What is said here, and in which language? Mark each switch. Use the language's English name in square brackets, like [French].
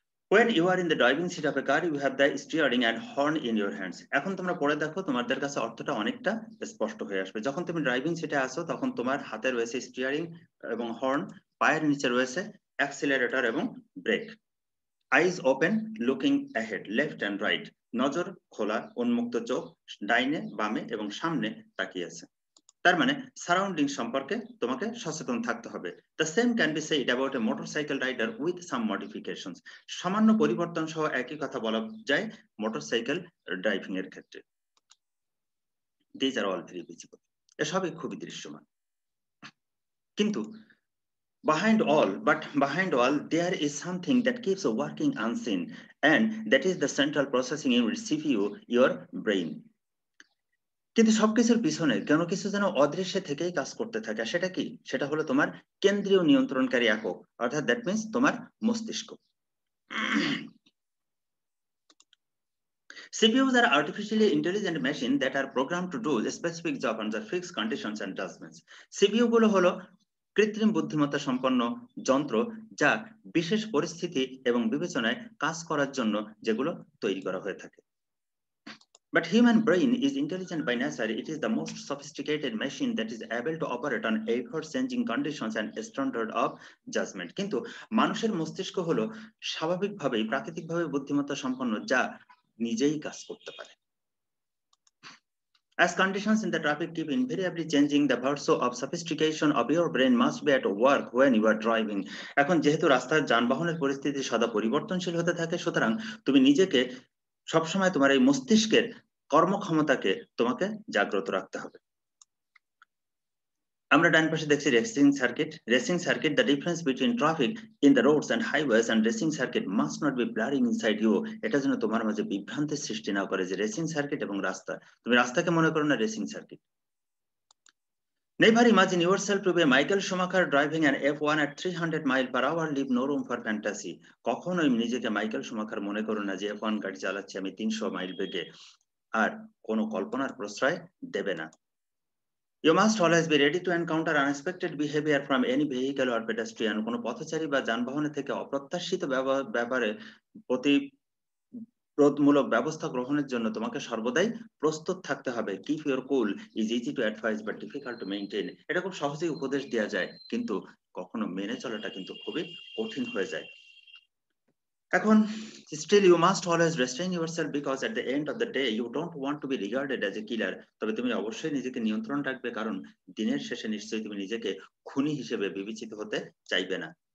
[English] When you are in the driving seat of a car, you have the steering and horn in your hands. [Bangla] এখন তোমরা পড়ে দেখো, তোমাদের কাছে অর্থটা অনেকটা স্পষ্ট হয়ে আসবে। যখন তুমি ড্রাইভিং সিটে আসো তখন তোমার হাতে রয়েছে স্টিয়ারিং এবং হর্ন, পায়ের নিচে রয়েছে অ্যাক্সিলারেটর এবং break. [English] Eyes open, looking ahead, left and right. [Bangla] নজর খোলা, উন্মুক্ত চোখ ডাইনে বামে এবং সামনে তাকিয়ে আছে। তার মানে সারাউন্ডিং সম্পর্কে তোমাকে সচেতন থাকতে হবে। [English] the same can be said about a motorcycle rider with some modifications, [Bangla] সামান্য পরিবর্তন সহ একই কথা বলা যায় মোটরসাইকেল ড্রাইভিং এর ক্ষেত্রে। [English] these are all very visible, [Bangla] এসবই খুবই দৃশ্যমান। কিন্তু [English] behind all there is something that keeps working unseen, and that is the central processing unit CPU, your brain. [Bangla] কিন্তু সবকিছুর পিছনে কোন কিছু যেন অদৃশ্য থেকেই কাজ করতে থাকে, সেটা কি? সেটা হলো তোমার কেন্দ্রীয় নিয়ন্ত্রণকারী একক, অর্থাৎ [English] that means [Bangla] তোমার মস্তিষ্ক। [English] CPUs are artificially intelligent machine that are programmed to do specific job under fixed conditions and tasks. [Bangla] CPU গুলো হলো কৃত্রিম বুদ্ধিমত্তা সম্পন্ন যন্ত্র যা বিশেষ পরিস্থিতি এবং বিবেচনায় কাজ করার জন্য যেগুলো তৈরি করা হয়ে থাকে। [English] But human brain is intelligent by nature. It is the most sophisticated machine that is able to operate on ever-changing conditions and standard of judgment. [Bangla] কিন্তু মানুষের মস্তিষ্ক হলো স্বাভাবিকভাবেই প্রাকৃতিকভাবে বুদ্ধিমত্তা সম্পন্ন যা নিজেই কাজ করতে পারে। [English] As conditions in the traffic keep invariably changing, the virtue of sophistication of your brain must be at work when you are driving. [Bangla] এখন যেহেতু রাস্তার যানবাহনের পরিস্থিতি সদা পরিবর্তনশীল হতে থাকে, সুতরাং তুমি নিজেকে সবসময় তোমার এই মস্তিষ্কের কর্মক্ষমতাকে তোমাকে জাগ্রত রাখতে হবে। আমরা ডান পাশে দেখছি racing circuit. Racing circuit, [English] the difference between traffic in the roads and highways and racing circuit must not be blurring inside you, [Bangla] এটা যেন তোমার মাঝে বিভ্রান্তির সৃষ্টি না করে যে রেসিং সার্কিট এবং রাস্তা, তুমি রাস্তাকে মনে করো না racing circuit. [English] Never imagine yourself to be Michael Schumacher driving an F1 at 300 mile per hour, leave no room for fantasy. [Bangla] কখনোই নিজেকে মাইকেল সুমাখার মনে করো না যে F1 গাড়ি চালাচ্ছি আমি 300 মাইল বেগে, আর কোনো কল্পনার প্রশ্রয় দেবে না। [English] You must always be ready to encounter unexpected behavior from any vehicle or pedestrian. [Bangla] কোনো পথচারী বা যানবাহনের থেকে অপ্রত্যাশিত ব্যাপারে প্রতিরোধমূলক ব্যবস্থা গ্রহণের জন্য তোমাকে সর্বদাই প্রস্তুত থাকতে হবে। [English] Keep your cool is easy to advise but difficult to maintain. [Bangla] এটা খুব সহজেই উপদেশ দেওয়া যায়, কিন্তু কখনো মেনে চলাটা কিন্তু খুবই কঠিন হয়ে যায়। [English] এখন still you must always restrain yourself because at the end of the day you don't want to be regarded as a killer, [Bangla] তবে তুমি অবশ্যই নিজেকে নিয়ন্ত্রণ রাখবে, কারণ দিনের শেষে নিশ্চয়ই তুমি নিজেকে খুনি হিসেবে বিবেচিত হতে চাইবে না।